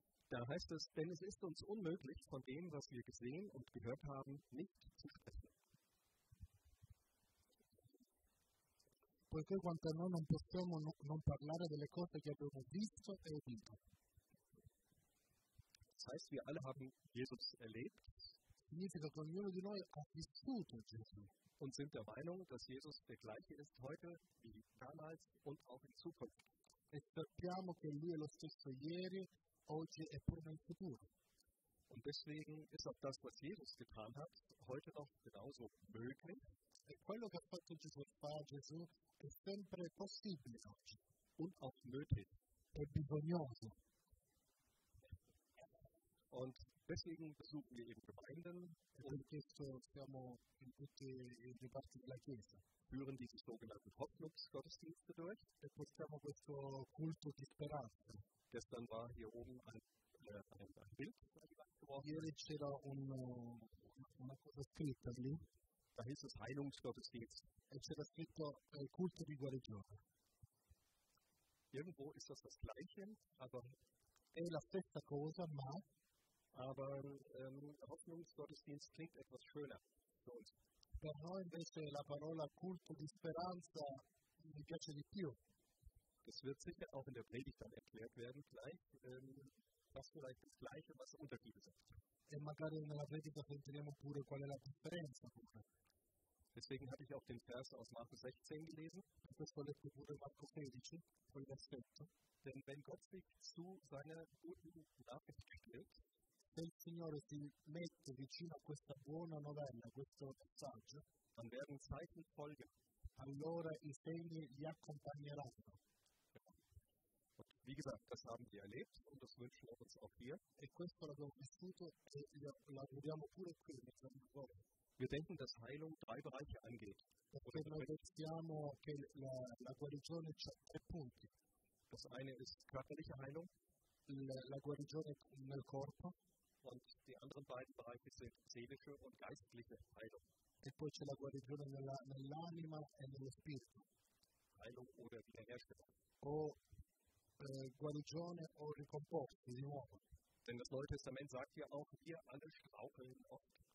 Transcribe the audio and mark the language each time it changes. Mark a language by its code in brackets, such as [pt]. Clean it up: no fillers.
[de] Da heißt es, denn es ist uns unmöglich, von dem, was wir gesehen und gehört haben, nicht zu sprechen. [it] Poiché quanto noi non possiamo non parlare delle cose che abbiamo visto e udito. [de] Das heißt, wir alle haben Jesus erlebt. [it] Significa che ognuno di noi ha vissuto Gesù. [de] Und sind der Meinung, dass Jesus der gleiche ist heute wie damals und auch in Zukunft. [it] E sappiamo che lui è lo stesso ieri, oggi e pure in futuro. [de] Und deswegen ist auch das, was Jesus getan hat, heute noch genauso möglich. [it] E quello che ha fatto Gesù fa Gesù è sempre possibile oggi. [de] Und auch nötig. [it] E bisognoso. [de] Und deswegen besuchen wir eben Gemeinden [it] und siamo in tutte le parti della chiesa. [de] Führen diese sogenannten Hoffnungsgottesdienste durch. [it] E portiamo questo culto di speranza. [de] Gestern war hier oben ein Bild. [it] Ieri c'era una cosa scritta lì. [de] Da hieß es Heilungsgottesdienst. [it] E c'era scritto culto di guarigione. [de] Irgendwo ist das Gleiche, aber [it] è la stessa cosa, ma [de] aber Hoffnungsgottesdienst klingt etwas schöner für uns. [it] Per noi invece la parola culto di speranza mi piace di più. [de] Das wird sicher auch in der Predigt dann erklärt werden, gleich, was vielleicht das Gleiche, was der Unterschied ist. [it] E magari nella predica sentiremo pure qual è la differenza. [de] Deswegen habe ich auch den Vers aus Markus 16 gelesen. Das ist voll letzte Wurde Markus 16 von der Sette. Denn wenn Gott sich zu seiner guten Nachricht stellt, [it] se il Signore si mette vicino a questa buona novella, a questo messaggio, [de] dann werden Zeichen folgen. [it] Allora i segni li accompagneranno. [de] Und wie gesagt, das haben wir erlebt und das wünschen wir uns auch hier. [it] E questo l'abbiamo vissuto e lo vediamo pure qui nel nostro. [de] Wir denken, dass Heilung drei Bereiche angeht. [it] Perché noi pensiamo che la guarigione ha tre punti. [de] Das eine ist körperliche Heilung. [it] La guarigione nel corpo. [de] Und die anderen beiden Bereiche sind seelische und geistliche Heilung. [it] E poi c'è la guarigione nell'anima e nello spirito. [de] Heilung oder Wiederherstellung. [it] O guarigione o ricomposti di nuovo. [de] Denn das Neue Testament sagt ja auch, wir alle straucheln oft.